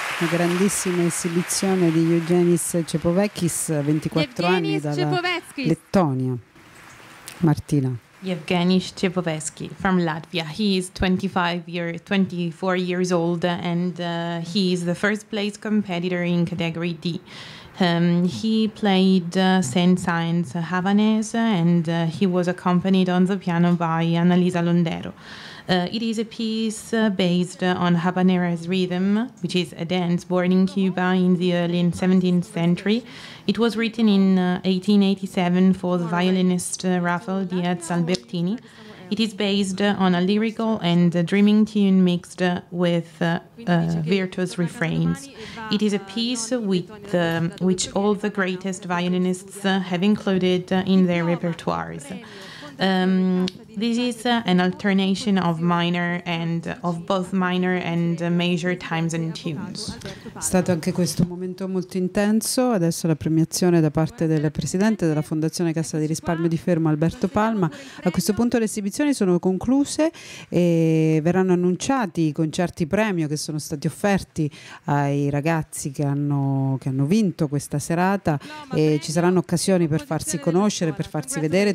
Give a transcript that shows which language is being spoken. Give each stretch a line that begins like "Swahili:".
Italian: Grandissima esibizione di Eugenis Cepovecchis, 24 anni, dalla Lettonia. Martina.
English: Evgenij Cepovecki from Latvia. He is 24 years old and he is the first place competitor in category D. He played Saint-Saëns Havanese and he was accompanied on the piano by Annalisa Londero. It is a piece based on Habanera's rhythm, which is a dance born in Cuba in the early 17th century. It was written in 1887 for the violinist Rafael Diaz Albertini. It is based on a lyrical and a dreaming tune mixed with virtuous refrains. It is a piece which all the greatest violinists have included in their repertoires. This is an alternation of minor and of both minor and major times and tunes.
Italian: È stato anche questo un momento molto intenso. Adesso la premiazione da parte del presidente della Fondazione Cassa di Risparmio di Fermo, Alberto Palma. A questo punto le esibizioni sono concluse e verranno annunciati i concerti premio che sono stati offerti ai ragazzi che hanno vinto questa serata, e ci saranno occasioni per farsi conoscere, per farsi vedere.